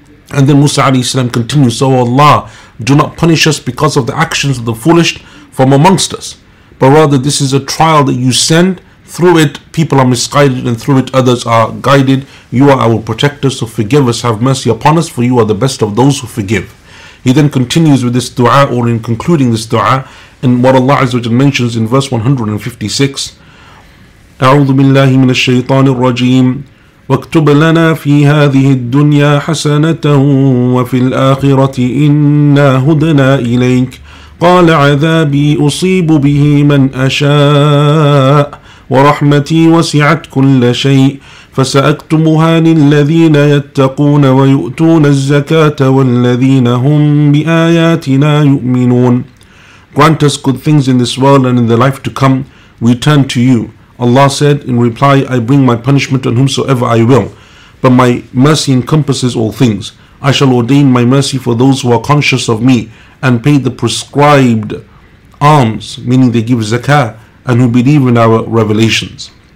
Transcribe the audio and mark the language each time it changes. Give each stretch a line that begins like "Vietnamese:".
English: And then Musa alayhi salam continues, "So Allah, do not punish us because of the actions of the foolish from amongst us, but rather this is a trial that you send. Through it people are misguided and through it others are guided. You are our protector, so forgive us, have mercy upon us, for you are the best of those who forgive." He then continues with this dua, or in concluding this dua, and what Allah Azza wa Jalla mentions in verse 156.
Arabic: أعوذ بالله من الشيطان الرجيم وَاكْتُبْ لَنَا فِي هَذِهِ الدُّنْيَا حَسَنَةً وَفِي الْآخِرَةِ إِنَّا هُدْنَا إِلَيْكَ قال عذابي أصيب به من أشاء ورحمتي وسعت كل شيء فسأكتمها للذين يتقون ويؤتون الزكاة والذين هم بآياتنا يؤمنون.
English: Grant us good things in this world and in the life to come, we turn to you. Allah said in reply, I bring my punishment on whomsoever I will, but my mercy encompasses all things. I shall ordain my mercy for those who are conscious of me and pay the prescribed alms, meaning they give zakah, and who believe in our revelations.